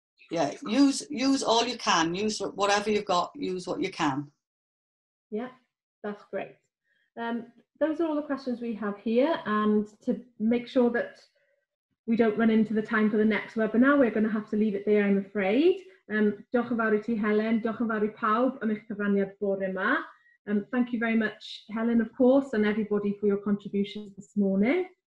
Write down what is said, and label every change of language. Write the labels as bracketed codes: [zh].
[en] Yeah, use all you can. Use whatever you've got, use what you can. Yeah, that's great. Those are all the questions we have here. And to make sure that we don't run into the time for the next webinar, we're going to have to leave it there, I'm afraid. [cy] Diolch yn fawr I ti, Helen. Diolch yn fawr I pawb am eich cyfraniad bore yma. [en] Thank you very much, Helen, of course, and everybody for your contributions this morning.